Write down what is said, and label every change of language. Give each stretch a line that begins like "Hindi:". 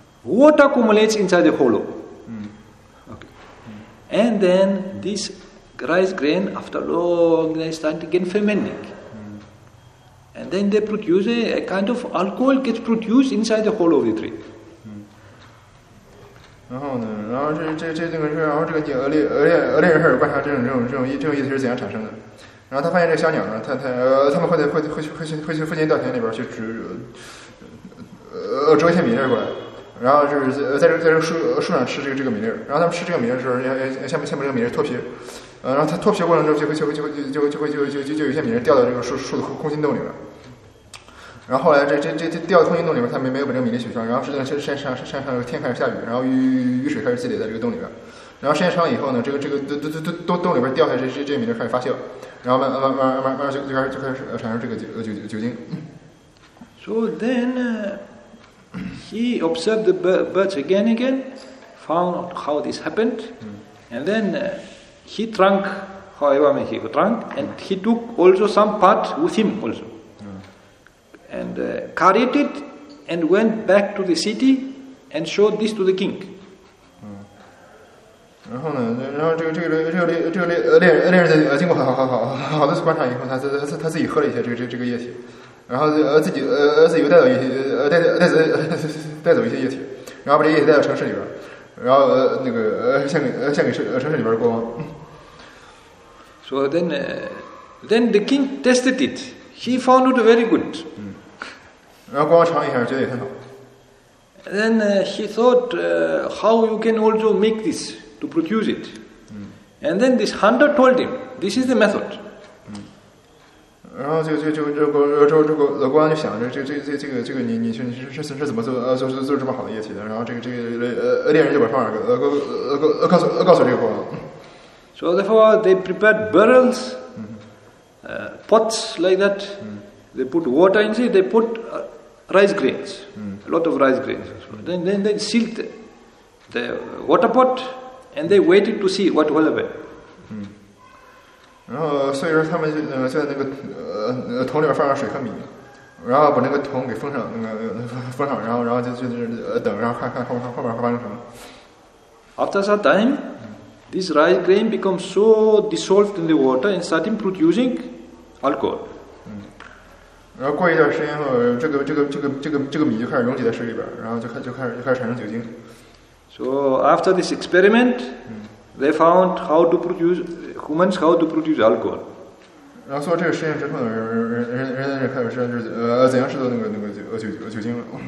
English: water accumulates inside the hollow.、 Mm. Okay. Mm. And then this rice grain, after long, they start again fermenting. And then they produce a kind of alcohol gets produced inside the hollow of the tree.
Chinese: 然后呢，然后这个事，然后这个猎人观察这种液体是怎样产生的。然后他发现这个小鸟呢，他们会去附近稻田里边去折一些米粒过来，然后就是在这个树上吃这个米粒。然后他们吃这个米粒的时候，先把这个米粒脱皮。然后它脱皮过程中就会有一些米粒掉到这个树的空心洞里边，然后后来这掉到空心洞里边，它没有把这个米粒取出来，然后实际上山上天开始下雨，然后雨水开始积累在这个洞里边，然后时间长以后呢，这个洞里边掉下这米粒开始发酵，然后慢慢就开始产生这个酒精。
English: So then he observed the birds again, found out how this happened, and then. He drank, however many he drank, and he took also some part with him also.、 Yeah. And carried it and went back to the city and showed this to the king.、 Yeah.
Chinese: 然后这个猎人经过好多次观察以后，他自己喝了一些这个液体，然后自己又带走一些液体，然后把这液体带到城市里边，然后献给城市里边的国王。
English: So then the king tested it. He found it very good.、
Chinese: 嗯、然后国王尝一下，觉得也很好。
English: Then he thought, how you can also make this to produce it.、嗯、 and then this hunter told him, this is the method.、
Chinese: 嗯、然后这个国王就想着这个你是怎么做这么好的液体的？然后这个猎人就把方法告诉这个国王。
English: So therefore, they prepared barrels,、 mm-hmm. Pots like that.、 Mm-hmm. They put water in it. They put、rice grains,、 mm-hmm. a lot of rice grains.、So、then they sealed the water pot, and they waited to see what will happen.
Chinese: 然后所以说他们就在那个桶里边放上水和米，然后把那个桶给封上，那个封上，然后就等，然后看后面会发生什么。
English: After some time. This rice grain becomes so dissolved in the water and starting producing alcohol.
Chinese: 然后过一段时间后，这个米就开始溶解在水里边，然后就开始产生酒精。
English: So after this experiment, they found how to produce alcohol.
Chinese: 然后做这个实验之后呢，人就开始说怎样制作那个酒精了。